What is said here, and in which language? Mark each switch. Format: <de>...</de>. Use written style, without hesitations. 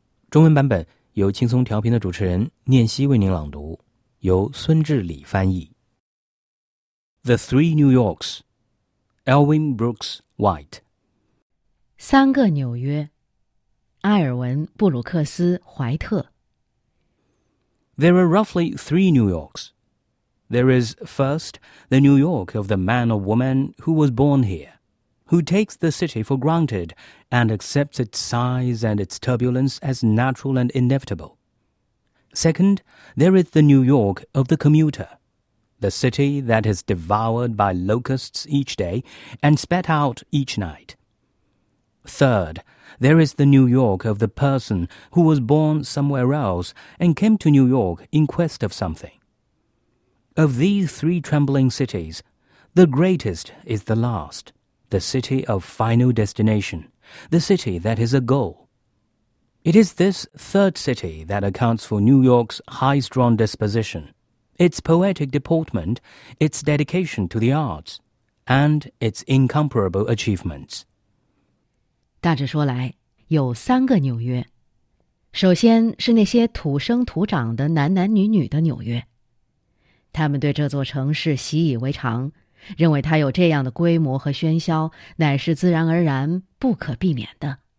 <zh>中文版本由轻松调频的主持人念希为您朗读，由孙志礼翻译。</zh> <en>The Three New Yorks， Elwyn Brooks White。</en> <zh>三个纽约，埃尔文·布鲁克斯·怀特。</zh> <en>There are roughly three New Yorks. There is, first, the New York of the man or woman who was born here, who takes the city for granted and accepts its size and its turbulence as natural and inevitable. Second, there is the New York of the commuter, the city that is devoured by locusts each day and spat out each night. Third,There is the New York of the person who was born somewhere else and came to New York in quest of something. Of these three trembling cities, the greatest is the last, the city of final destination, the city that is a goal. It is this third city that accounts for New York's high-strung disposition, its poetic deportment, its dedication to the arts, and its incomparable achievements.</en> <zh>大致说来，有三个纽约。首先是那些土生土长的男男女女的纽约，他们对这座城市习以为常，认为它有这样的规模和喧嚣乃是自然而然不可避免的。</zh>